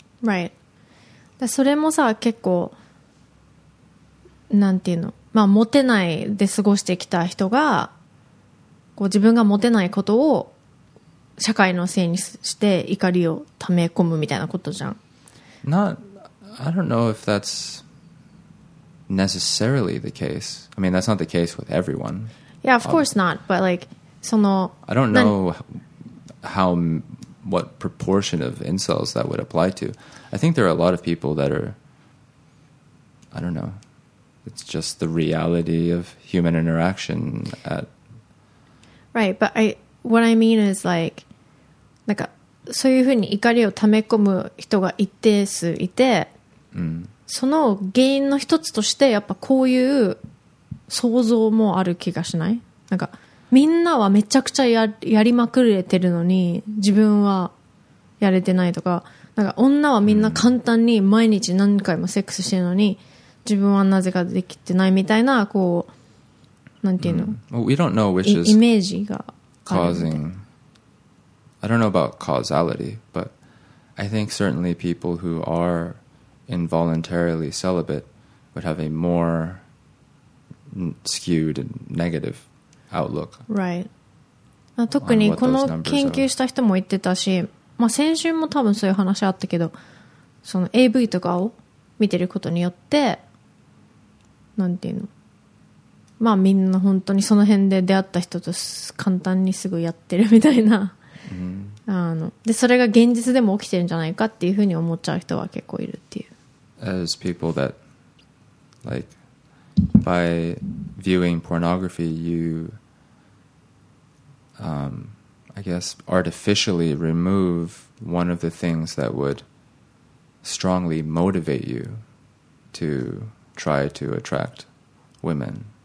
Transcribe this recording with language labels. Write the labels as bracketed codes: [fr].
[en] Right. [ja] だそれもさ結構なんていうの、まあモテないで過ごしてきた人がこう自分がモテないことを社会のせいにして怒りをため込むみたいなことじゃん。 [en] Not, I don't know if that's necessarily the case. I mean, that's not the case with everyone. Yeah, of course not. But like, [ja] その [en] I don't know how what proportion of incels that would apply to. I think there are a lot of people that are, I don't know. It's just the reality of human interaction at. Right, but I what I mean is like. [ja] なんかそういうふうに怒りをため込む人が一定数いて、うん、その原因の一つとしてやっぱこういう想像もある気がしない？なんかみんなはめちゃくちゃ やりまくれてるのに自分はやれてないとか、なんか女はみんな簡単に毎日何回もセックスしてるのに自分はなぜかできてないみたいな、こうなんていうの、うん、 [en] We don't know which is [ja] イメージがあるみたいな。 [en] I don't know about causality, but I think certainly people who are involuntarily celibate would have a more skewed and negative outlook. Right. [ja] 特にこの研究した人も言ってたし、まあ、先週も多分そういう話あったけど、その AV とかを見てることによって、なんていうの、まあみんな本当にその辺で出会った人と簡単にすぐやってるみたいな。 Mm-hmm. でそれが現実でも起きてるんじゃないかっていうふうに思っちゃう人は結構いるっていう。 [en] As people that like by viewing pornography you I guess artificially remove one of the things that would strongly motivate you to try to attract women.